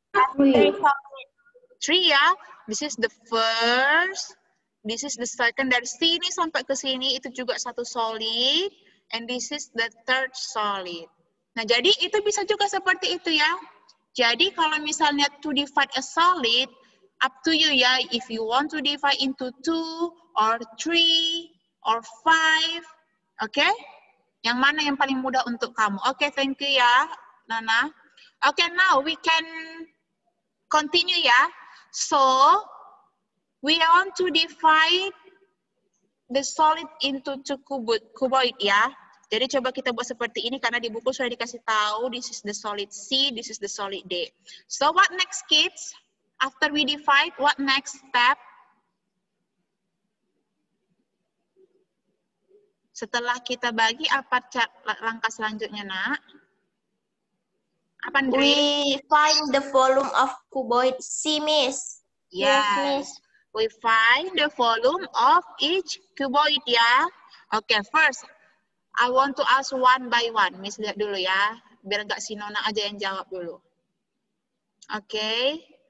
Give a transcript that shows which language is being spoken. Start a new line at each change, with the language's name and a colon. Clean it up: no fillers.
English: 3, ya. This is the first. This is the second.
Indonesian: Dari sini sampai ke sini, itu juga satu solid.
English: And this is the third solid.
Indonesian: Nah, jadi itu bisa juga seperti itu, ya. Jadi, kalau misalnya
English: to divide a solid, up to you,
Indonesian: ya.
English: If you want to divide into 2 or 3 or 5, okay?
Indonesian: Yang mana yang paling mudah untuk kamu.
English: Okay, thank you, ya, Nana. Okay, now we can continue, ya. So, we want to divide the solid into 2 cuboid, ya.
Indonesian: Jadi coba kita buat seperti ini karena di buku sudah dikasih tahu,
English: this is the solid C, this is the solid D. So what next, kids? After we divide, what next step?
Indonesian: Setelah kita bagi, apa langkah selanjutnya, nak? Apa, Andre?
English: We find the volume of cuboid C, miss. Yes, miss. We find the volume of each cuboid,
Indonesian: ya.
English: Okay, first. I want to ask one by one.
Indonesian: Miss, lihat dulu, ya. Biar enggak si Nona aja yang jawab dulu. Okay.